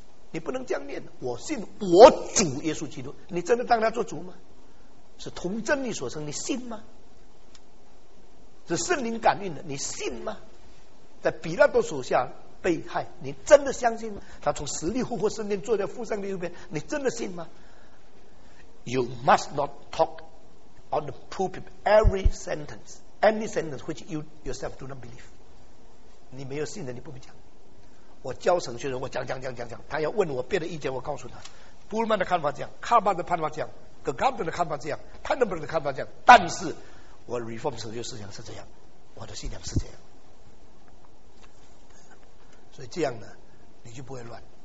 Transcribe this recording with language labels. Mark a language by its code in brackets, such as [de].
[zh] 你不能这样念，我信我主耶稣基督，你真的当他做主吗？是同真理所生，你信吗？是圣灵感应的，你信吗？在比拉多手下被害，你真的相信吗？他从死里复活升天，坐在父上帝右边，你真的信吗？ [en] You must not talk on the pulpit every sentence, any sentence which you yourself do not believe. [zh] 你没有信的，你不必讲。我教神学人，我讲，他要问我别的意见，我告诉他，布鲁曼的看法这样，卡巴的看法这样，格冈本的看法这样，潘德伯的看法这样，但是我 reform 神学思想是这样，我的信仰是这样，所以这样呢，你就不会乱。